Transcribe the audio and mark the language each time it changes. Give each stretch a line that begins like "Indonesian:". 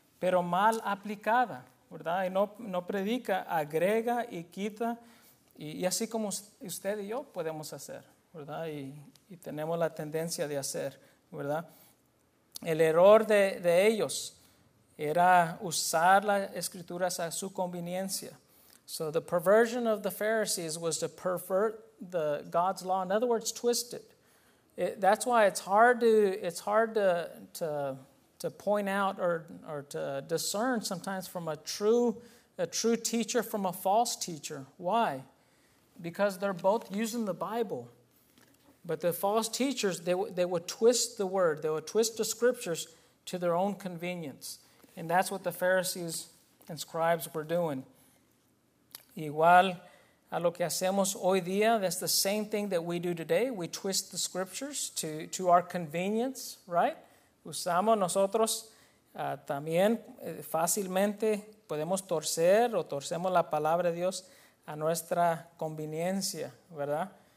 Spanish: pero mal aplicada, ¿verdad? Y no predica, agrega y quita, y así como usted y yo podemos hacer, ¿verdad? Y tenemos la tendencia de hacer, ¿verdad? El error de ellos era usar las escrituras a su conveniencia.
English: So the perversion of the Pharisees was to pervert the God's law. In other words, twist it. That's why it's hard to point out or to discern sometimes from a true teacher from a false teacher. Why? Because they're both using the Bible. But the false teachers, they would twist the word. They would twist the scriptures to their own convenience. And that's what the Pharisees and scribes were doing.
Spanish: Igual a lo que hacemos hoy día,
English: that's the same thing that we do today. We twist the scriptures to our convenience, right?
Spanish: Usamos nosotros también fácilmente, podemos torcer o torcemos la palabra de Dios a nuestra conveniencia, ¿verdad?